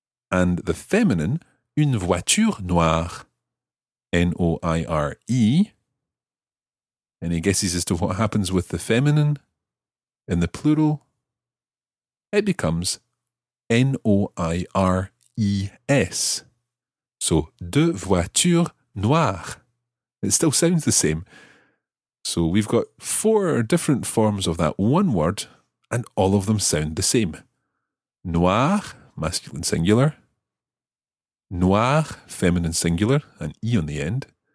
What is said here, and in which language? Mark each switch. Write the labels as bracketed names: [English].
[English] And the feminine, [French] une voiture noire, [English] N-O-I-R-E. Any guesses as to what happens with the feminine in the plural? It becomes N-O-I-R-E-S. [French] So, deux voitures noires. [English] It still sounds the same. So we've got four different forms of that one word, and all of them sound the same. Noir, masculine singular. Noir, feminine singular, an E on the end.